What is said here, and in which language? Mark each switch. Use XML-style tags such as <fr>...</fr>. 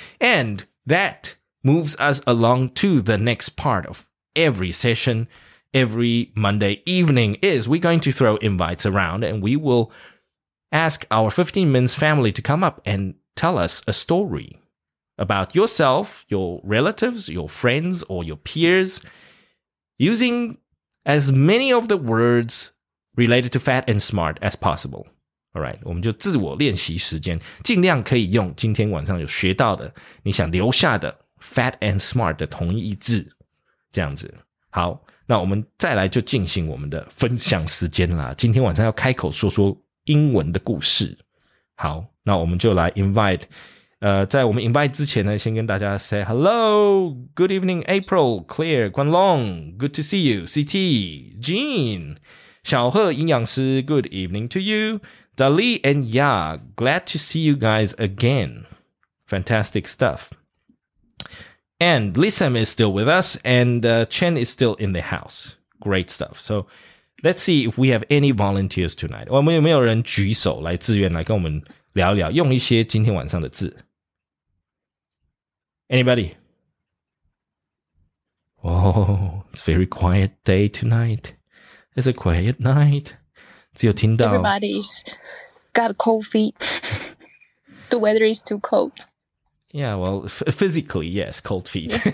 <en>And that moves us along to the next part of every session, every Monday evening, is we're going to throw invites around and we will ask our 15 Minutes family to come up and tell us a story. About yourself, your relatives, your friends, or your peers, using as many of the words related to fat and smart as possible.</en> <zh>All right, 我们就自我练习时间，尽量可以用今天晚上有学到的，你想留下的</zh> <en>fat and smart</en> <zh>的同义字，这样子。好，那我们再来就进行我们的分享时间啦。今天晚上要开口说说英文的故事。好，那我们就来 invite。在我们 invite 之前呢，先跟大家</zh> <en>say hello, good evening, April, Claire, Guan Long, good to see you, CT, Jean, 小贺营养师 good evening to you, Dali and Ya, glad to see you guys again, fantastic stuff. And Lisam is still with us, and Chen is still in the house, great stuff. So let's see if we have any volunteers tonight.</en> <zh>我们有没有人举手来自愿来跟我们聊聊，用一些今天晚上的字？</zh> <en>Anybody? Oh, it's a very quiet day tonight. It's a quiet night.</en> <zh>只有听到</zh> <en>Everybody's got cold feet. The weather is too cold. Yeah, well, physically, yes, cold feet.</en>